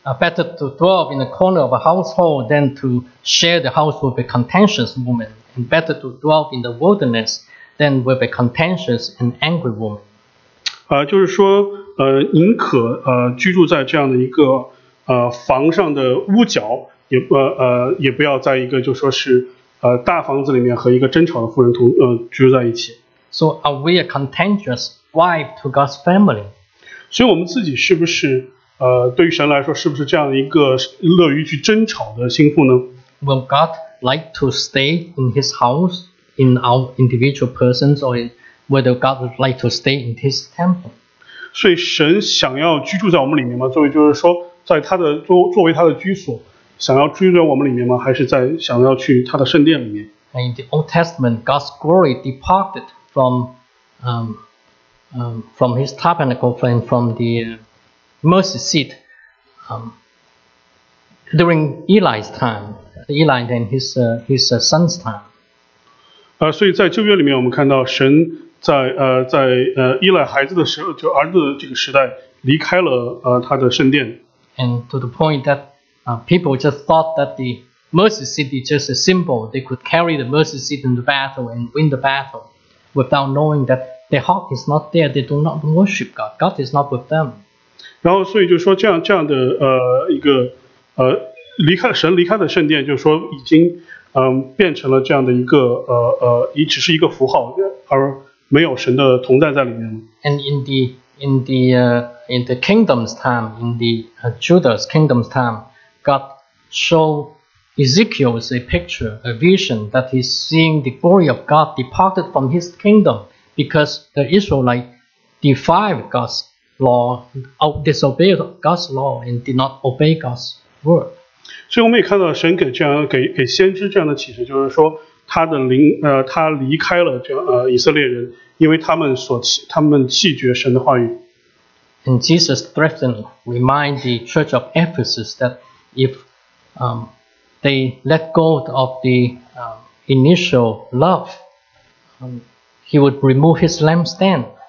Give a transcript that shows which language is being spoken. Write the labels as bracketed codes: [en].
[en] Better to dwell in the corner of a household than to share the house with a contentious woman, and better to dwell in the wilderness than with a contentious and angry woman. [zh] 就是说。宁可居住在这样的一个房上的屋角，也不要在一个就说是大房子里面和一个争吵的妇人居住在一起。 [en] So are we a contentious wife to God's family? [zh] 所以我们自己是不是对于神来说是不是这样的一个乐于去争吵的心腹呢？ [en] Will God like to stay in His house in our individual persons, or whether God would like to stay in His temple? [zh] 所以神想要居住在我们里面吗？作为就是说，在他的作为他的居所，想要居住在我们里面吗？还是在想要去他的圣殿里面 [en] ？In the Old Testament, God's glory departed from His tabernacle and from the mercy seat during Eli's time, Eli and his son's time. [zh] 所以在旧约里面，我们看到神。在依赖孩子的时候，就儿子的这个时代，离开了他的圣殿。 [en] And to the point that People just thought that the mercy seat is just a symbol. They could carry the mercy seat in the battle and win the battle without knowing that the ark is not there. They do not worship God. God is not with them. [zh] 然后所以就说这样的一个离开神离开的圣殿，就是说已经变成了这样的一个也只是一个符号，而没有神的同在在里面。 [en] And in the kingdom's time, in the Judah's kingdom's time, God showed Ezekiel a picture, a vision that he's seeing the glory of God departed from his kingdom because the Israelite defied God's law, disobeyed God's law, and did not obey God's word. [zh] 所以我们也看到神给这样给先知这样的启示，就是说他的灵他离开了这样以色列人，因为他们弃绝神的话语。 [en] And Jesus threatened, remind the church of Ephesus that if they let go of the initial love, he would remove his lampstand.